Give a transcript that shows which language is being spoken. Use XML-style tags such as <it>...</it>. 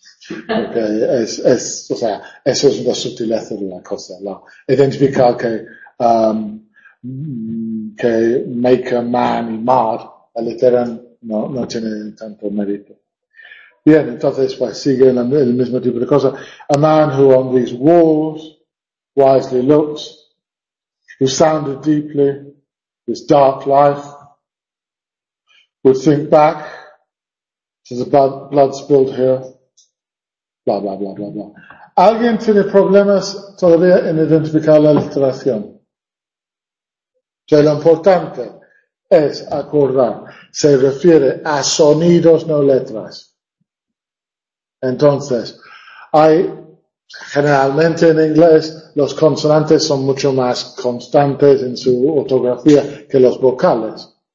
<es>Porque o sea, eso es una sutileza de la cosa. ¿No? Identificar que maker, man y mod aliteran no tiene tanto mérito. Bien, entonces pues sigue el mismo tipo de cosa.</es> <en>A man who on these walls wisely looks, who sounded deeply his dark life, would think back to the blood spilled here, blah, blah, blah, blah, blah.</en> <es>¿Alguien tiene problemas todavía en identificar la literación? O sea, lo importante es acordar, se refiere a sonidos, no letras. Entonces, hay, generalmente en inglés, los consonantes son mucho más constantes en su ortografía que los vocales.</es>